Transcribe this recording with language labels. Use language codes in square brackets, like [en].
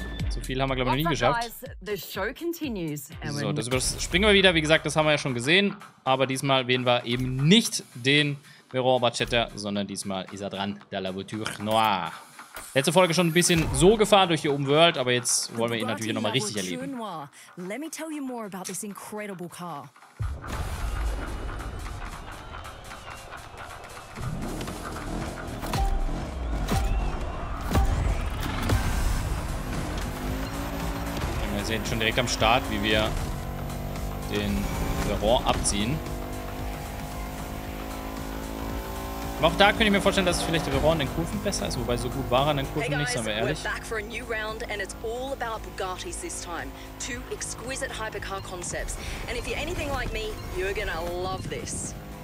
[de] So viel haben wir, glaube ich, noch nie geschafft. So, das überspringen wir wieder. Wie gesagt, das haben wir ja schon gesehen. Aber diesmal wählen wir eben nicht den Veyron Bacetta, sondern diesmal ist er dran, der La Voiture Noire. Letzte Folge schon ein bisschen so gefahren durch die Open World, aber jetzt wollen wir ihn natürlich nochmal richtig erleben. [en] Let me tell you more about this incredible car. [de] Wir sehen schon direkt am Start, wie wir den Veyron abziehen. Aber auch da könnte ich mir vorstellen, dass vielleicht der Veyron in den Kurven besser ist, wobei so gut war er in den Kurven nicht, sagen wir ehrlich. [en] Hey guys, we're back for a new round and it's all about Bugattis this time. Two exquisite hypercar concepts. And if you're anything like me, you're gonna love this.